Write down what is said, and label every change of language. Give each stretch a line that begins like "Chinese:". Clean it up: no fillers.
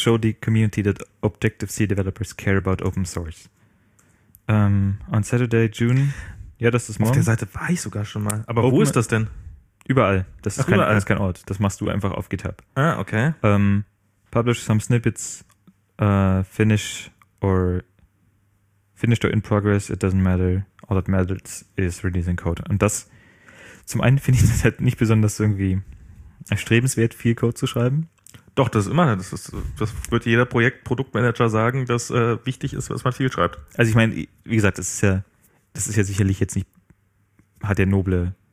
English: show the community that Objective-C developers care about open source. On Saturday, June.
German: Ja, das ist morgen. Auf der Seite war ich sogar schon mal. Aber wo ist das denn? Überall. Das ist kein Ort. Das machst du einfach auf GitHub. Ah, okay.
English: Publish some snippets. Finished or in progress, it doesn't matter. All that matters is releasing code.
German: Und das, zum einen finde ich das halt nicht besonders irgendwie erstrebenswert, viel Code zu schreiben. Doch, das ist immer, das wird jeder Produktmanager sagen, dass wichtig ist, dass man viel schreibt. Also ich meine, wie gesagt, das ist ja sicherlich jetzt nicht, hat ja noble